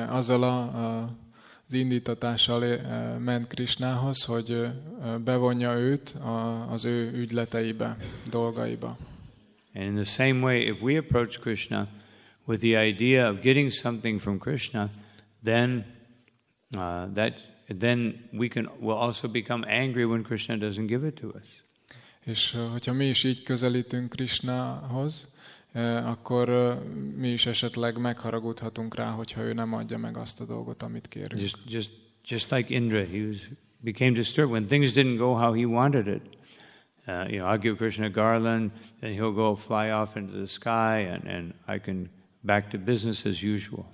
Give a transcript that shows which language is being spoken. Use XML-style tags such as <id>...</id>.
<hu>Az indítatással ment Krishnához, hogy bevonja őt az ő ügyleteibe, dolgaiba.</hu> <en>And in the same way, if we approach Krishna with the idea of getting something from Krishna, then we can will also become angry when Krishna doesn't give it to us.</en> <hu>És hogyha mi is így közelítünk Krishnához, akkor mi is esetleg megharagudhatunk rá, hogyha ő nem adja meg azt a dolgot, amit kérünk.</hu> <en>Just like Indra, became disturbed when things didn't go how he wanted it. I'll give Krishna a garland, and he'll go fly off into the sky, and I can back to business as usual.</en>